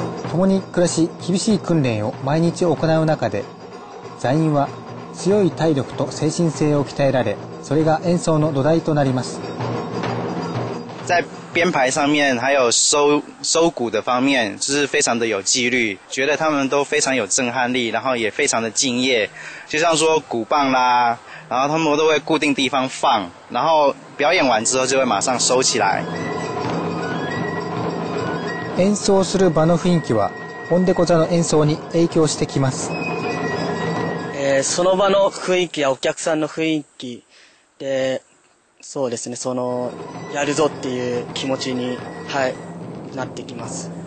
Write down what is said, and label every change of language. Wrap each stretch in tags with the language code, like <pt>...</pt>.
<ja>共に暮らし厳しい訓練を毎日行う中で座員は強い体力と精神性を鍛えられそれが演奏の土台となります。</ja> <zh>在编排上面还有 收鼓的方面就是非常的有纪律觉得他们都非常有震撼力然后也非常的敬业就像说鼓棒啦然后他们都会固定地方放然后表演完之后就会马上收起来。</zh> <ja>演奏する場の雰囲気はオンデコ座の演奏に影響してきます、その場の雰囲気やお客さんの雰囲気でそうですねそのやるぞっていう気持ちに、はい、なってきます。</ja>